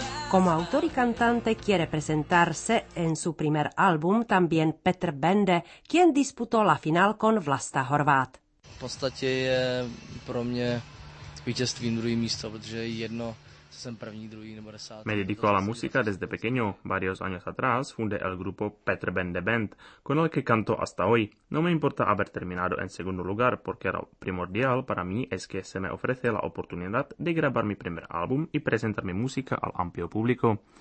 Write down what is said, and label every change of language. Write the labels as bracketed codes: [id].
[es] Como autor y cantante quiere presentarse en su primer álbum también Petr Bende, quien disputó la final con Vlasta Horvát. [cs] V podstatě je pro mě vítězstvím druhé místo, protože jedno jsem první, druhý nebo desátý. [es] Me dedico a la música desde pequeño. Varios años atrás fundé el grupo Petr Bende Band, con el que canto hasta hoy. No me importa haber terminado en segundo lugar, porque lo primordial para mí es que se me ofrece la oportunidad de grabar mi primer álbum y presentar mi música al amplio público.